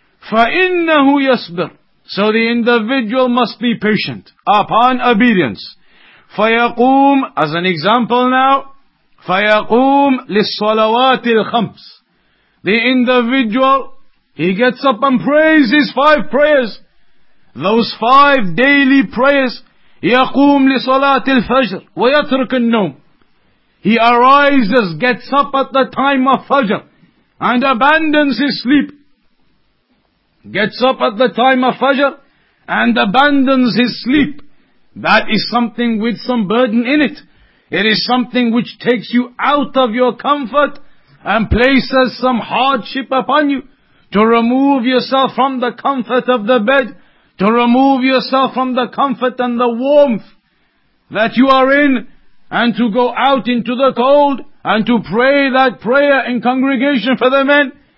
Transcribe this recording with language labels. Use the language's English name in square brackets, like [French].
[Arabic] فَإِنَّهُ يَصْبِرُ. [English] So the individual must be patient upon obedience. [Arabic] فَيَقُومُ, [English] as an example now, [Arabic] فَيَقُومُ لِلصَّلَوَاتِ الْخَمْسِ. [English] The individual, he gets up and prays his five prayers. Those five daily prayers, [Arabic] يَقُومْ لِصَلَاةِ الْفَجْرِ وَيَتْرِكَ النَّوْمِ. [English] He arises, gets up at the time of Fajr, and abandons his sleep. Gets up at the time of Fajr, and abandons his sleep. That is something with some burden in it. It is something which takes you out of your comfort, and places some hardship upon you to remove yourself from the comfort of the bed, to remove yourself from the comfort and the warmth that you are in, and to go out into the cold and to pray that prayer in congregation for the men.